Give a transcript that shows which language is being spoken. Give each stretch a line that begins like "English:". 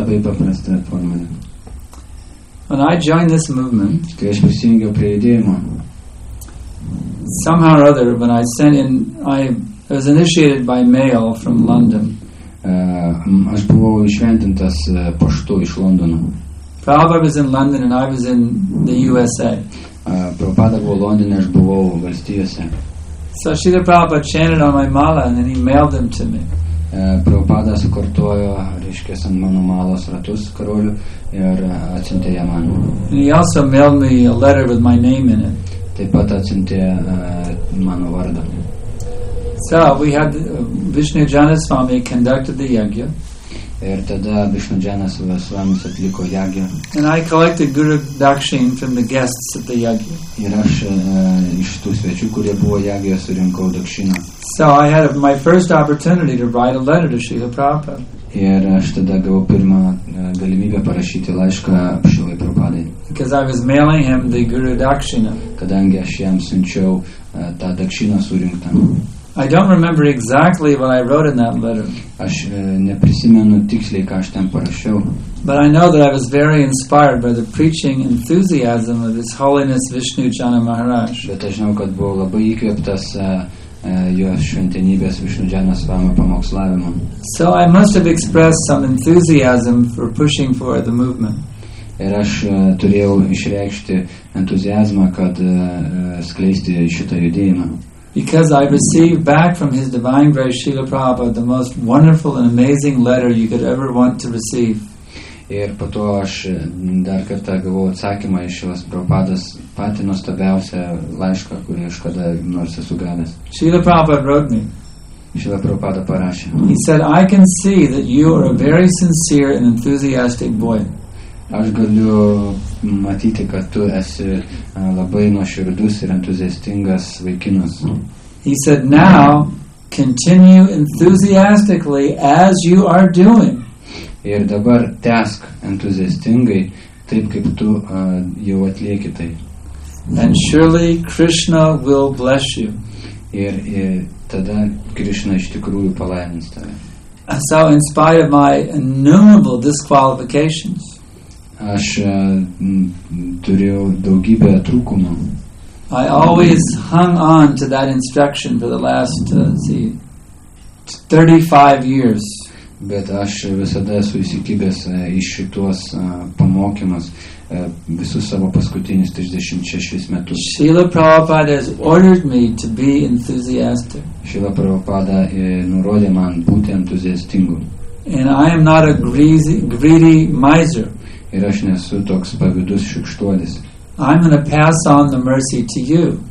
Lithuanian: Labai paprastą formulę.
English: When I joined this movement,
Lithuanian: kai aš prisijungiau prie judėjimo,
English: somehow or other, when I sent in, I was initiated by mail from London.
Lithuanian: Aš buvau išventintas paštu iš Londono.
English: Prabhupada was in London and I was in the USA.
Lithuanian: Prabhupada buvo Londone, aš buvau valstijose.
English: So Srila Prabhupada chanted on my mala and then he mailed them to me.
Lithuanian: Prabhupada sukartojo, reiškia, ant mano malos ratus karolių ir atsintė ją man.
English: And he also mailed me a letter with my name in it.
Lithuanian: Taip pat atsintė mano vardą.
English: So we had Vishnujana Swami conducted the yagya.
Lithuanian: Ir tada Vishnujana Swami atliko yagya.
English: And I collected guru dakshin from the guests at the yagya.
Lithuanian: Ir aš iš tų svečių, kurie buvo yagya, surinkau dakshiną.
English: So I had my first opportunity to write a letter to Srila Prabhupada.
Lithuanian: Ir aš tada gavau pirmą galimybę parašyti laišką Srilai Prabhupadai.
English: Because I was mailing him the guru dakshina.
Lithuanian: Kadangi aš jam siunčiau tą dakshiną surinktą.
English: I don't remember exactly what I wrote in that letter.
Lithuanian: Aš neprisimenu tiksliai, ką aš ten parašiau.
English: But I know that I was very inspired by the preaching enthusiasm of His Holiness Vishnu Jana Maharaj.
Lithuanian: Bet aš žinau, kad buvo labai įkvėptas jo šventenybės Vishnu Jana Svama pamokslavimo.
English: So I must have expressed some enthusiasm for pushing for the movement.
Lithuanian: Ir aš turėjau išreikšti entuziazmą, kad skleisti šitą judėjimą.
English: Because I received back from His Divine Grace Srila Prabhupada the most wonderful and amazing letter you could ever want to receive.
Lithuanian: Ir po to aš dar kartą gavau atsakymą iš jos Prabhupadas patį nuostabiausią laišką, kurį aš kada nors esu gavęs.
English: Srila Prabhupada wrote me.
Lithuanian: Srila Prabhupada parašė.
English: He said, I can see that you are a very sincere and enthusiastic boy.
Lithuanian: Aš galiu matyti, kad tu esi labai nuoširdus ir entuziastingas vaikinas.
English: He said, now continue enthusiastically as you are doing.
Lithuanian: Ir dabar tęsk entuziastingai, taip kaip tu jau atlieki tai.
English: And surely Krishna will bless you.
Lithuanian: Ir tada Krishna iš tikrųjų palaimins tave.
English: So in spite of my innumerable disqualifications,
Lithuanian: aš turėjau daugybę trūkumų.
English: I always hung on to that instruction for the last 35 years.
Lithuanian: Bet aš visada esu įsikibęs iš šituos pamokymus visus savo paskutinius 36 metus.
English: Srila Prabhupada has ordered me to be enthusiastic.
Lithuanian: Srila Prabhupada nurodė man būti entuziastingu.
English: And I am not a greedy miser.
Lithuanian: Ir aš nesu toks pavydus šikštuolis.
English: I'm going to pass on the mercy to you.